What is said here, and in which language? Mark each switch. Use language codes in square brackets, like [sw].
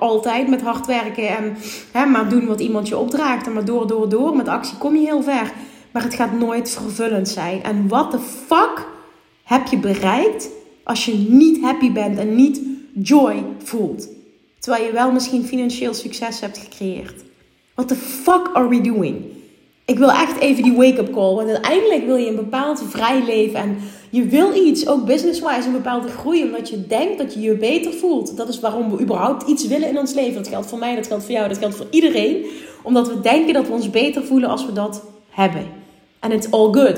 [nl] Altijd met hard werken en maar doen wat iemand je opdraagt. En maar door. Met actie kom je heel ver. Maar het gaat nooit vervullend zijn. En [en] what the fuck [nl] heb je bereikt als je niet happy bent en niet joy voelt. Terwijl je wel misschien financieel succes hebt gecreëerd. [en] What the fuck are we doing? [nl] Ik wil echt even die wake-up call. Want uiteindelijk wil je een bepaald vrij leven. En je wil iets, ook business-wise, een bepaalde groei. Omdat je denkt dat je je beter voelt. Dat is waarom we überhaupt iets willen in ons leven. Dat geldt voor mij, dat geldt voor jou, dat geldt voor iedereen. Omdat we denken dat we ons beter voelen als we dat hebben. [en] And it's all good.